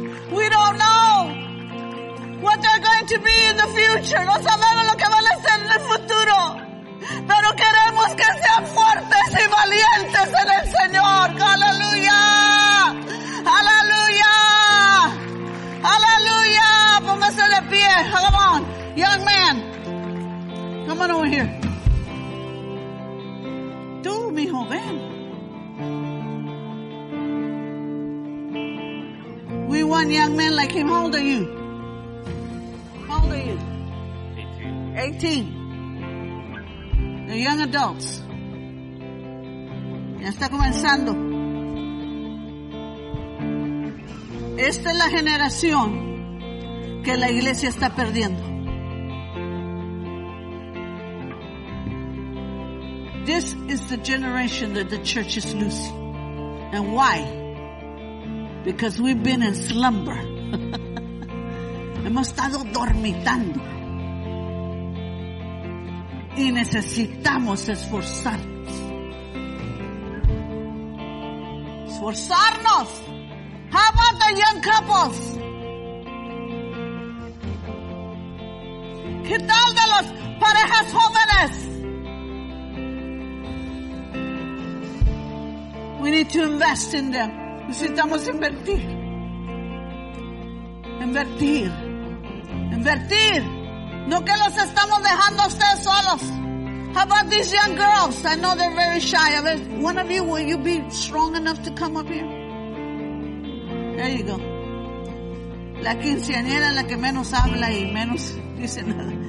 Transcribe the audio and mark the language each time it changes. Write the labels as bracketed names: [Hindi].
[English] We don't know what they're going to be in the future. [Spanish] No sabemos lo que van a ser en el futuro. Pero queremos que sean fuertes y valientes en el Señor. [English] Hallelujah. Hallelujah. [Spanish] Hallelujah. Póngase de pie. [English] Come on. Young man. Come on over here. [Spanish] Tú, mijo, ven. [English] We want young men like him. How old are you? 18. They're young adults. [Spanish] Ya está comenzando. Esta es la generación que la iglesia está perdiendo. [English] This is the generation that the church is losing. And why? Because we've been in slumber. [Spanish] Hemos estado dormitando. Y necesitamos esforzarnos. Esforzarnos. [English] How about the young couples? [Spanish] ¿Qué tal de las parejas jóvenes? [English] We need to invest in them. [Spanish] Necesitamos invertir. No que los estamos dejando a ustedes solos. [English] How about these young girls? I know they're very shy. One of you, will you be strong enough to come up here? There you go. [Spanish] La quinceañera es la que menos habla y menos dice nada.